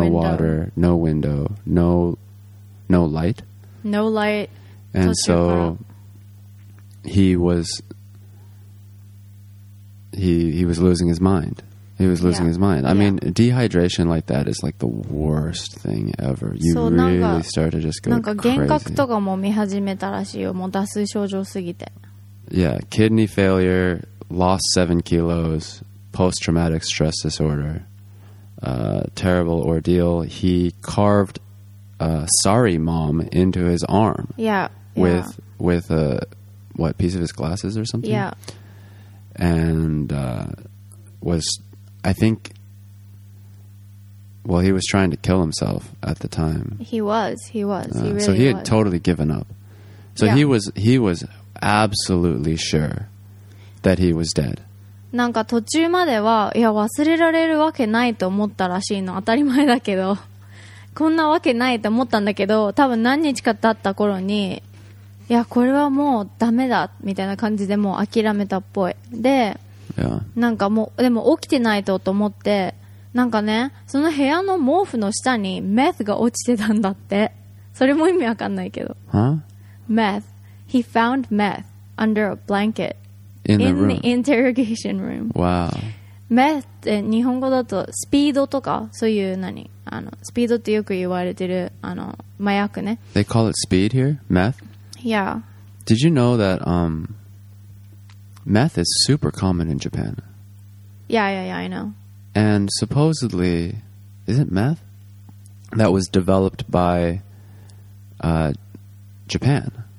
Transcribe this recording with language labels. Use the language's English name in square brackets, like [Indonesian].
[English] water, no window, no light. No light. And so he was losing his mind. He was losing his mind. I mean, dehydration like that is like the worst thing ever. You really start to just go crazy. [Japanese] 幻覚とかも見始めたらしいよ。もう脱水症状すぎて。 [English] Yeah, kidney failure, lost 7 kilos, post-traumatic stress disorder, terrible ordeal. He carved a sorry mom into his arm. Yeah. With a what piece of his glasses or something? Yeah. And he was trying to kill himself at the time. He was. He had totally given up. So yeah. he was absolutely sure that he was dead. [Japanese] なんか途中まではいや忘れられるわけないと思ったらしいの当たり前だけどこんなわけないと思ったんだけど多分何日か経った頃にいやこれはもうダメだみたいな感じでもう諦めたっぽいで、 [English] yeah. [Japanese] なんかもうでも起きてないとと思ってなんかねその部屋の毛布の下にメスが落ちてたんだってそれも意味わかんないけど、 [English] huh? meth he found meth under a blanket In the interrogation room. Wow. [Japanese] Meth って日本語だとスピードとかそういう何あのスピードってよく言われてるあの麻薬ね。 [English] They call it speed here? Meth? Yeah. Did you know that meth is super common in Japan? Yeah, I know. And supposedly, is it meth? That was developed by Japan.